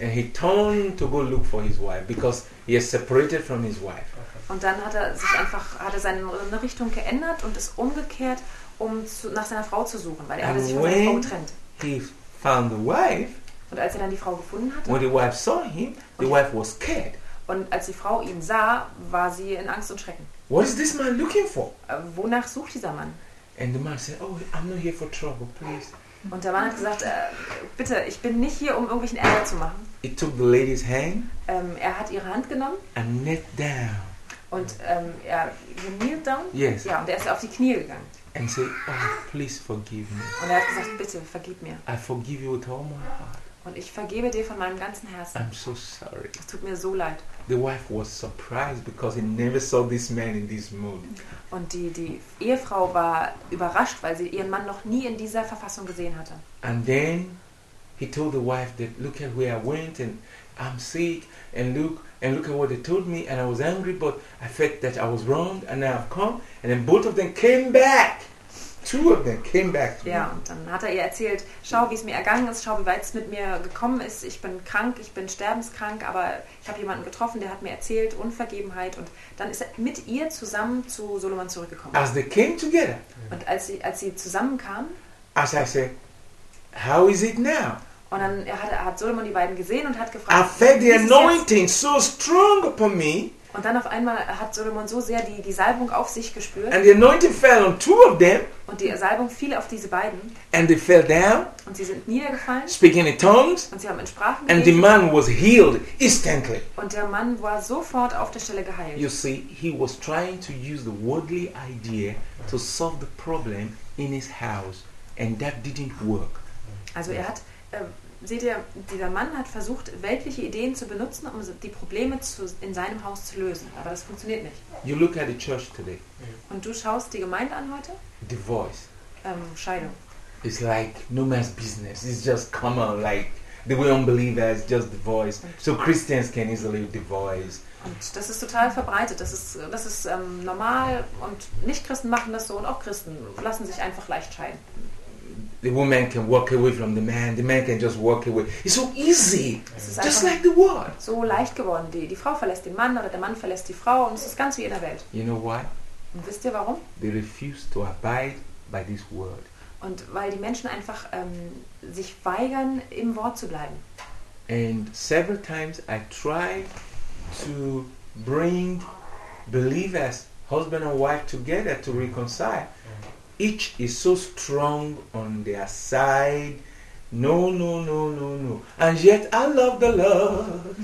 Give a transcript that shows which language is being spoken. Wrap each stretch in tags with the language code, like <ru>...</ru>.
<en>And he turned to go look for his wife because he is separated from his wife.</en> <de>Und dann hat er seine Richtung geändert und ist umgekehrt, um nach seiner Frau zu suchen, weil er hatte sich von seiner Frau getrennt.</de> <en>He found the wife.</en> <de>Und als er dann die Frau gefunden hatte,</de> <en>when the wife saw him, the wife was scared.</en> <de>Und als die Frau ihn sah, war sie in Angst und Schrecken.</de> <en>What is this man looking for?</en> <de>Wonach sucht dieser Mann?</de> <en>And the man said, oh, I'm not here for trouble, please.</en> <de>Und der Mann hat gesagt, bitte, ich bin nicht hier, um irgendwelchen Ärger zu machen.</de> <en>He took the lady's hand.</en> <de>Er hat ihre Hand genommen.</de> <en>And knelt down.</en> <de>Und</de> <en>er kneeled down. Yes.</en> <de>Ja, und er ist auf die Knie gegangen.</de> <en>And said, oh, please forgive me.</en> <de>Und er hat gesagt, bitte, vergib mir.</de> <en>I forgive you with all my heart.</en> <de>Und ich vergebe dir von meinem ganzen Herzen.</de> <en>I'm so sorry.</en> <de>Es tut mir so leid.</de> <en>The wife was surprised because he never saw this man in this mood.</en> <de>Und die Ehefrau war überrascht, weil sie ihren Mann noch nie in dieser Verfassung gesehen hatte.</de> <en>And then he told the wife that look at where I went and I'm sick and look at what they told me and I was angry but I felt that I was wrong and now I've come and then both of them came back. Two of them came back to</en> <de>ja, und dann hat er ihr erzählt, schau, wie es mir ergangen ist, schau, wie weit es mit mir gekommen ist. Ich bin krank, ich bin sterbenskrank, aber ich habe jemanden getroffen, der hat mir erzählt, Unvergebenheit. Und dann ist er mit ihr zusammen zu Solomon zurückgekommen.</de> <en>As they came together.</en> <de>Und als sie zusammenkamen,</de> <en>as I say, how is it now?</en> <de>Und dann hat Solomon die beiden gesehen und hat gefragt,</de> <en>I felt the anointing so strong upon me.</en> <de>Und dann auf einmal hat Solomon so sehr die Salbung auf sich gespürt.</de> <en>And the anointing fell on two of them.</en> <de>Und die Salbung fiel auf diese beiden.</de> <en>And they fell down.</en> <de>Und sie sind niedergefallen.</de> <en>Speaking in tongues.</en> <de>Und sie haben in Sprachen gesprochen.</de> <en>And the man was healed instantly.</en> <de>Und der Mann war sofort auf der Stelle geheilt.</de> <en>You see, he was trying to use the worldly idea to solve the problem in his house. And that didn't work.</en> <de>Also er hat... Seht ihr, dieser Mann hat versucht, weltliche Ideen zu benutzen, um die Probleme in seinem Haus zu lösen. Aber das funktioniert nicht.</de> <en>You look at the church today.</en> <de>Und du schaust die Gemeinde an heute?</de> <en>Divorce.</en> <de>Scheidung.</de> <en>It's like no man's business. It's just common, like the way unbelievers just divorce. So Christians can easily divorce.</en> <de>Und das ist total verbreitet. Das ist normal und Nicht-Christen machen das so und auch Christen lassen sich einfach leicht scheiden.</de> <en>The woman can walk away from the man. The man can just walk away. It's so easy.</en> <de>Es</de> <en>just like the world.</en> <de>So leicht geworden. Die Frau verlässt den Mann oder der Mann verlässt die Frau und es ist ganz wie in der Welt.</de> <en>You know why?</en> <de>Und wisst ihr warum?</de> <en>They refuse to abide by this word.</en> <de>Und weil die Menschen einfach sich weigern, im Wort zu bleiben.</de> <en>And several times I try to bring believers, husband and wife together to reconcile. Each is so strong on their side. No, no, no, no, no. And yet I love the Lord.</en>